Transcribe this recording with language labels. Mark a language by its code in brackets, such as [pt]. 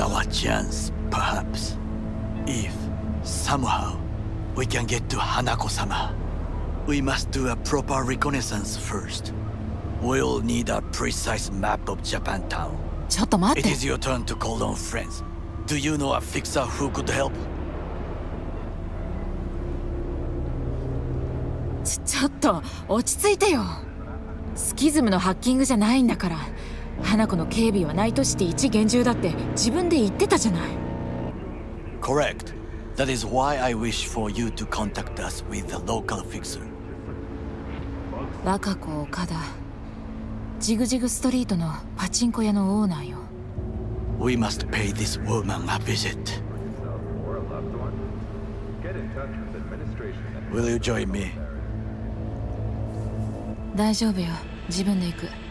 [en] Chance, perhaps. If, somehow, we can get to Hanako-sama, we must do a proper reconnaissance first. We'll need a precise map of Japantown. [ja] ちょっと待って! [en] It is your turn to call on friends. Do you know a fixer who could help? [ja] ちょっと、落ち着いてよ!スキズムのハッキングじゃないんだから。花子の警備はナイトシティ一厳重だって自分で言ってたじゃない。 [en] Correct. That is why I wish for you to contact us with the local fixer. [ja] 若子岡田。ジグジグストリートのパチンコ屋のオーナーよ。 [en] We must pay this woman a visit. Will you join me? [ja] 大丈夫よ。自分で行く。